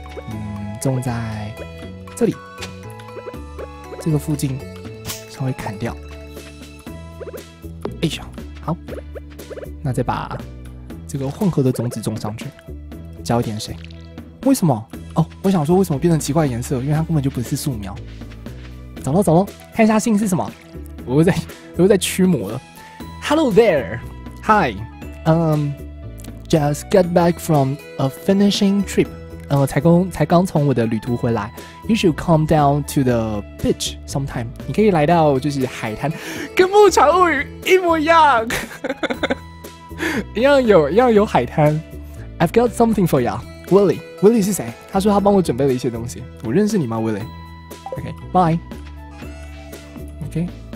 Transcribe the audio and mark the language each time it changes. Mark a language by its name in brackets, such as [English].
[Chinese] 嗯，种在这里。这个附近稍微砍掉，哎呀，好，那再把这个混合的种子种上去，浇一点水。为什么？哦，我想说为什么变成奇怪的颜色？因为它根本就不是素描。走了走了，看一下信是什么。我又在驱魔了。 [English] Hello there, hi, just got back from a finishing trip. [Chinese] 才刚从我的旅途回来。 [English] You should come down to the beach sometime. [Chinese] 你可以来到就是海滩，跟牧场物语一模一样，一样有海滩。 [English] I've got something for you, Willie. [Chinese] Willie 是谁？他说他帮我准备了一些东西。我认识你吗 ，Willie？ [English] OK, bye.